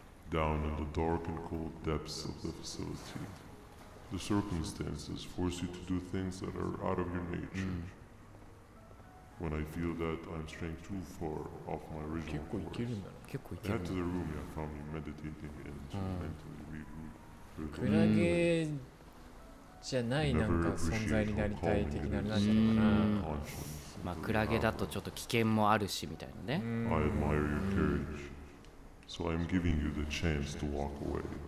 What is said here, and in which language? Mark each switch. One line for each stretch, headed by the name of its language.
English: Down in the dark and cold depths of the facility, the circumstances force you to do things that are out of your nature. When I feel that I'm straying too far off my original course,
Japanese: 結構いけるんだな。
English: I head to the room and found me meditating and to mentally reboot.
Japanese: クラゲじゃないなんか存在になりたい的な感じかな。まあクラゲだとちょっと危険もあるしみたいなね。
English: I admire your courage, so I'm giving you the chance to walk away.